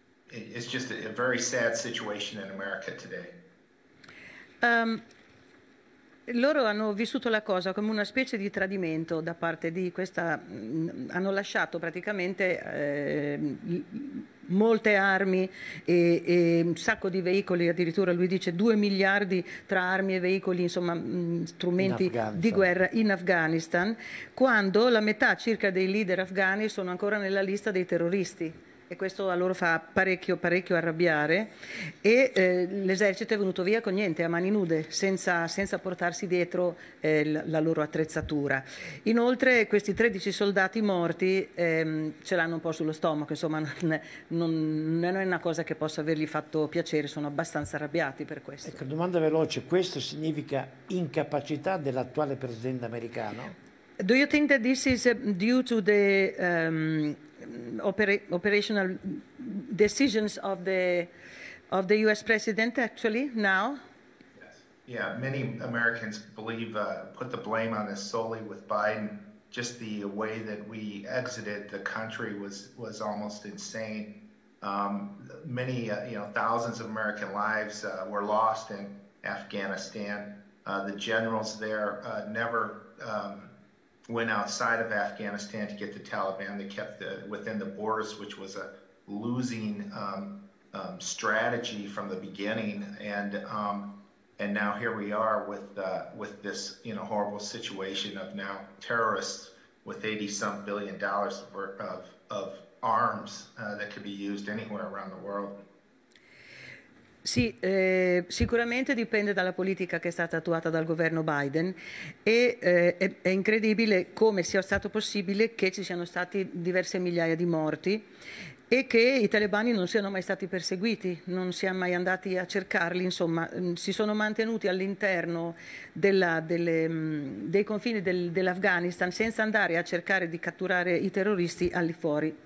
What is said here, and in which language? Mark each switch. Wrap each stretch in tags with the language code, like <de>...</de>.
<en>It's just a very sad situation in America today.</en> <it>Loro hanno vissuto la cosa come una specie di tradimento da parte di questa. Hanno lasciato praticamente molte armi e un sacco di veicoli, addirittura lui dice 2 miliardi tra armi e veicoli, insomma, In strumenti di Afghanistan. guerra in Afghanistan, quando la metà circa dei leader afghani sono ancora nella lista dei terroristi. E questo a loro fa parecchio, parecchio arrabbiare, e l'esercito è venuto via con niente, a mani nude, senza portarsi dietro la loro attrezzatura. Inoltre, questi 13 soldati morti ce l'hanno un po' sullo stomaco, insomma, non è una cosa che possa avergli fatto piacere, sono abbastanza arrabbiati per questo. Ecco, domanda veloce, questo significa incapacità dell'attuale presidente americano?</it> <en>Do you think that this is due to the operational decisions of the US president actually now? Yeah, many Americans believe, put the blame on this solely with Biden. Just the way that we exited the country was almost insane. Many, thousands of American lives were lost in Afghanistan. The generals there never went outside of Afghanistan to get the Taliban. They kept within the borders, which was a losing strategy from the beginning. And now here we are with this, horrible situation of now terrorists with $80-some billion of arms that could be used anywhere around the world.</en> <it>Sì, sicuramente dipende dalla politica che è stata attuata dal governo Biden e è incredibile come sia stato possibile che ci siano stati diverse migliaia di morti e che i talebani non siano mai stati perseguiti, non siamo mai andati a cercarli, insomma, si sono mantenuti all'interno dei confini dell'Afghanistan senza andare a cercare di catturare i terroristi al di fuori.</it>